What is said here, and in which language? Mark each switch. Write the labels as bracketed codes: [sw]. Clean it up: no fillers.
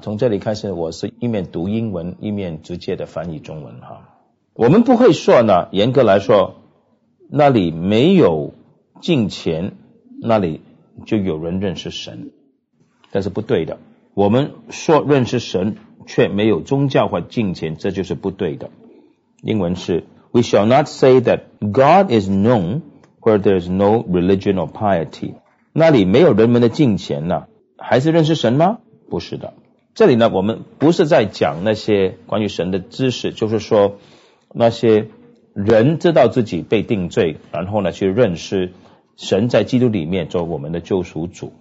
[zh] 从这里开始，我是一面读英文一面直接的翻译中文哈。我们不会说呢，严格来说那里没有敬虔，那里就有人认识神，但是不对的。我们说认识神却没有宗教或敬虔，这就是不对的。英文是 [en] We shall not say that God is knownWhere there is no religion or piety. [zh] 那里没有人们的敬虔呢，还是认识神吗？不是的。这里呢，我们不是在讲那些关于神的知识，就是说那些人知道自己被定罪，然后呢去认识神在基督里面做我们的救赎主。